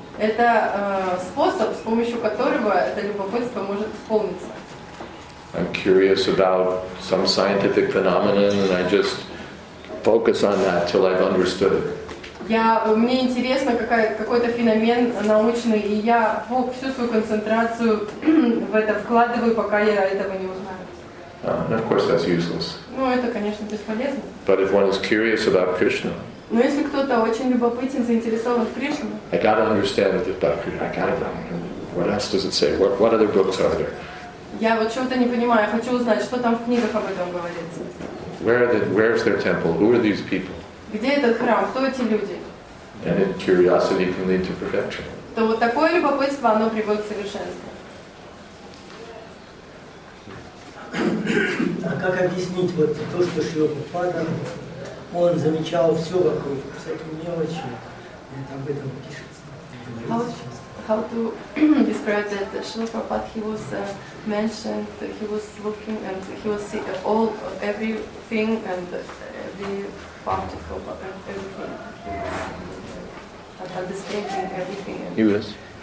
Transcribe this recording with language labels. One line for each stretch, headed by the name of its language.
Russian: Это способ, с помощью которого это любопытство может исполниться.
English: I'm curious about some scientific phenomenon and I just focus on that till I've understood it.
Russian: Мне интересно какой-то феномен научный, и я всю свою концентрацию в это вкладываю, пока я этого не узнаю.
English: And of course that's useless.
Russian: Ну, это, конечно, бесполезно.
English: But if one is curious about Krishna,
Russian: но если кто-то очень любопытен, заинтересован в Кришне.
English: I gotta understand it about Krishna. I gotta know. What else does it say? What other books are there?
Russian: Я вот чего-то не понимаю, я хочу узнать, что там в книгах об этом говорится.
English: Where is their temple? Who are these people?
Russian: Где этот храм? Кто эти люди?
English: And then curiosity can lead to perfection.
Russian: То вот такое любопытство, оно приводит к совершенству. А как объяснить вот то, что Шрила Прабхупада, он замечал все вокруг, всякие мелочи, и там об этом пишется.
English: How to describe that Srila Prabhupada, he was mentioned, he was looking and he was seeing all, everything and every particle of everything. He was understanding everything. He was.